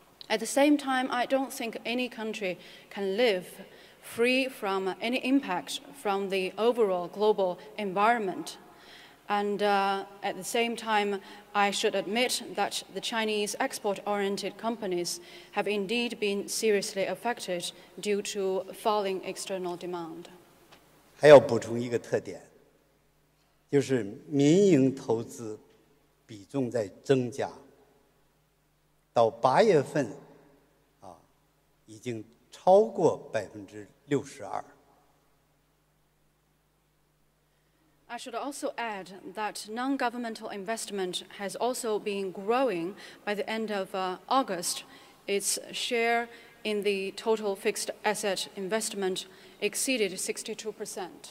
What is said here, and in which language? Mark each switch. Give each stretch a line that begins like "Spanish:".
English: At the same time, I don't think any country can live free from any impact from the overall global environment. And at the same time, I should admit that the Chinese export-oriented companies have indeed been seriously affected due to falling external demand.
Chinese: 还要补充一个特点，就是民营投资比重在增加，到八月份啊，已经超过62%。
English: I should also add that non-governmental investment has also been growing. By the end of August, its share in the total fixed asset investment exceeded 62%.